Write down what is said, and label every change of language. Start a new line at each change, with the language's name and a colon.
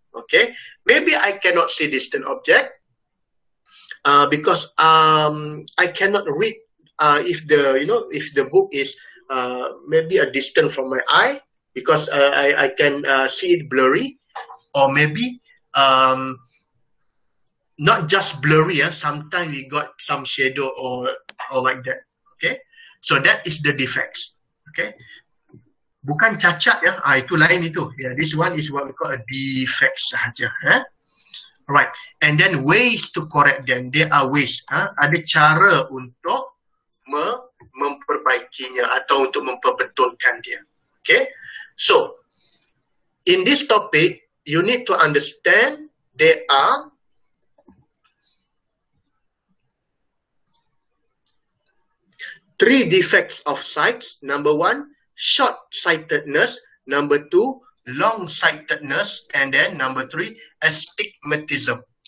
English: Okay, maybe I cannot see distant object because I cannot read if the book is maybe a distance from my eye because I can see it blurry, or maybe not just blurry. Sometimes we got some shadow or like that. Okay, so that is the defects. Okay.
Malay: Bukan cacat ya, itu lain itu.
English: Yeah, this one is what we call a defect sahaja. Alright, and then ways to correct them. There are ways.
Malay: Ada cara untuk memperbaikinya atau untuk memperbetulkan dia.
English: Okay, so in this topic, you need to understand there are three defects of sight. Number one, short-sightedness, number two, long-sightedness, and then number three, astigmatism.